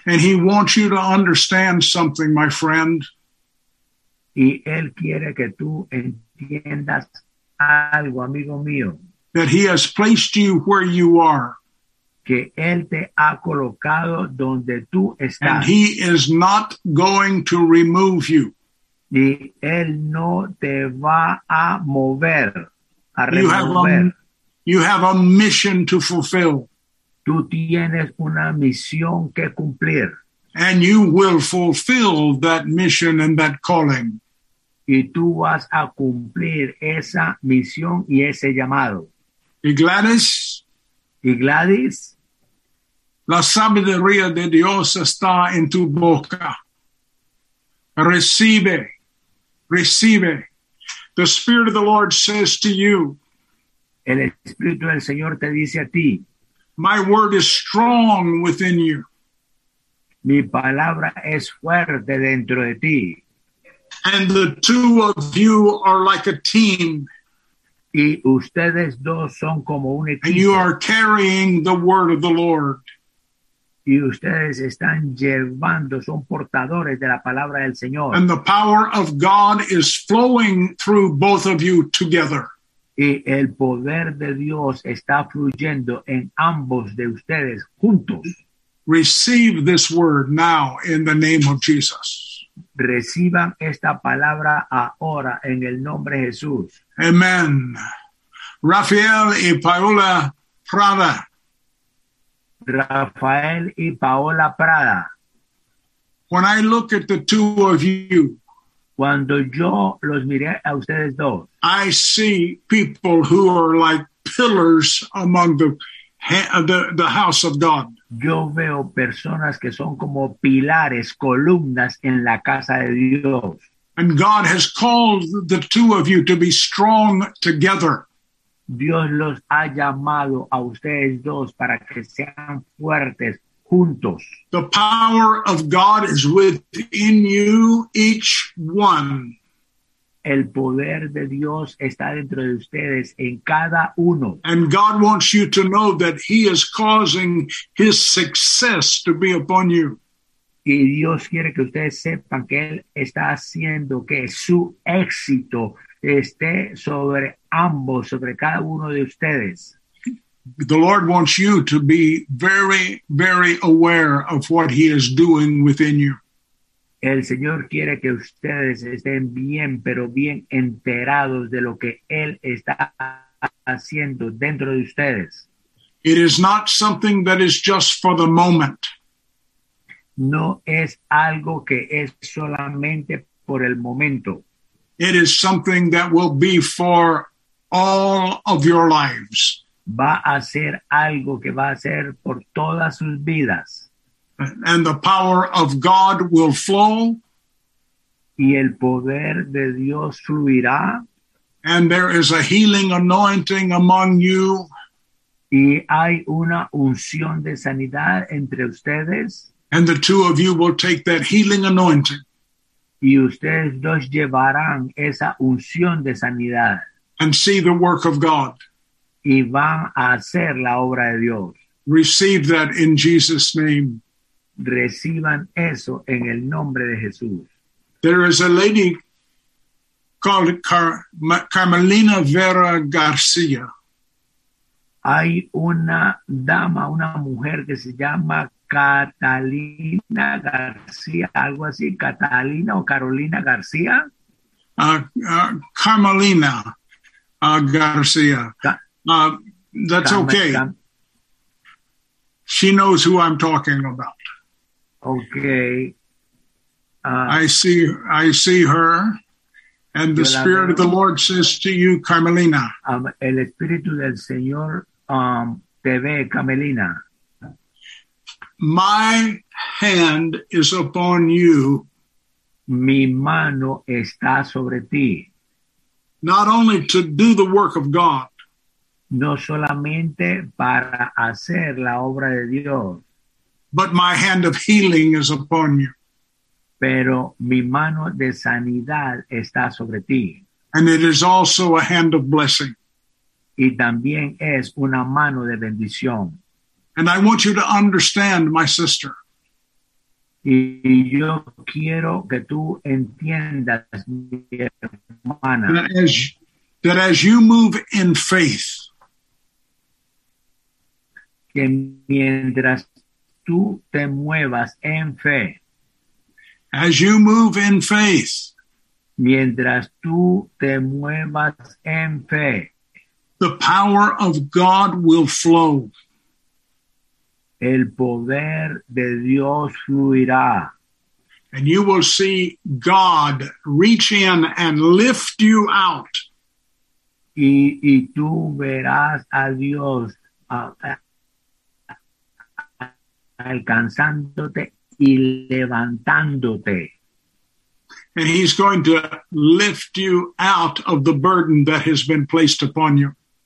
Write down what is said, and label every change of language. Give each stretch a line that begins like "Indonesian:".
English: And he wants you to understand something, my friend.
Spanish: Y él quiere que tú entiendas algo, amigo mío.
English: That he has placed you where you are.
Spanish: Que él te ha colocado donde tú estás.
English: And he is not going to remove you.
Spanish: Y él no te va a mover.
English: You have a mission to fulfill.
Spanish: Tú tienes una misión que cumplir.
English: And you will fulfill that mission and that calling.
Spanish: Y tú vas a cumplir esa misión y ese llamado. Y Gladys. Y Gladys. La sabiduría de Dios está en tu boca. Recibe, recibe.
English: The Spirit of the Lord says to you.
Spanish: El Espíritu del Señor te dice a ti.
English: My word is strong within you.
Spanish: Mi palabra es fuerte dentro de ti.
English: And the two of you are like a team.
Spanish: Y ustedes dos son como un equipo.
English: And you are carrying the word of the Lord.
Spanish: Y ustedes están llevando, son portadores de la palabra del Señor.
English: And the power of God is flowing through both of you together.
Spanish: Y el poder de Dios está fluyendo en ambos de ustedes juntos.
English: Receive this word now in the name of Jesus.
Spanish: Reciban esta palabra ahora en el nombre de Jesús. Amen. Rafael y Paola Prada. Rafael y Paola Prada.
English: When I look at the two of you,
Spanish: cuando yo los miré a ustedes dos,
English: I see people who are like pillars among the house of God.
Spanish: Yo veo personas que son como pilares, columnas en la casa de Dios.
English: And God has called the two of you to be strong together.
Spanish: Dios los ha llamado a ustedes dos para que sean fuertes juntos.
English: The power of God is within you, each one.
Spanish: El poder de Dios está dentro de ustedes en cada uno.
English: And God wants you to know that he is causing his success to be upon you.
Spanish: Y Dios quiere que ustedes sepan que él está haciendo que su éxito esté sobre ambos, sobre cada uno de ustedes.
English: The Lord wants you to be very, very aware of what he is doing within you.
Spanish: El Señor quiere que ustedes estén bien, pero bien enterados de lo que él está haciendo dentro de ustedes.
English: It is not something that is just for the moment.
Spanish: No es algo que es solamente por el momento.
English: It is something that will be for all of your lives.
Spanish: Va a ser algo que va a ser por todas sus vidas.
English: And the power of God will flow.
Spanish: Y el poder de Dios fluirá.
English: And there is a healing anointing among you.
Spanish: Y hay una unción de sanidad entre ustedes.
English: And the two of you will take that healing anointing.
Spanish: Y ustedes dos llevarán esa unción de sanidad.
English: And see the work of God.
Spanish: Y van a hacer la obra de Dios.
English: Receive that in Jesus' name.
Spanish: Reciban eso en el nombre de Jesús.
English: There is a lady called Carmelina Vera Garcia.
Spanish: Hay una dama, una mujer que se llama Catalina García, algo así, Catalina o Carolina García. Carmelina García.
English: That's okay. She knows who I'm talking about. Okay. I see her, and the Spirit of the Lord says to you, Carmelina.
Spanish: El Espíritu del Señor te ve, Carmelina.
English: My hand is upon you.
Spanish: Mi mano está sobre ti.
English: Not only to do the work of God.
Spanish: No solamente para hacer la obra de Dios.
English: But my hand of healing is upon you.
Spanish: Pero mi mano de sanidad está sobre ti.
English: And it is also a hand of blessing.
Spanish: Y también es una mano de bendición.
English: And I want you to understand, my sister.
Spanish: Y yo quiero que tú entiendas, mi hermana.
English: That as you move in faith.
Spanish: Que mientras tú te muevas en fe.
English: As you move in faith.
Spanish: Mientras tú te muevas en fe.
English: The power of God will flow.
Spanish: El poder de Dios fluirá.
English: And you will see God reach in and lift you out.
Spanish: Y tú verás a Dios alcanzándote y levantándote.
English: And he's going to lift you out of the burden that has been placed upon you.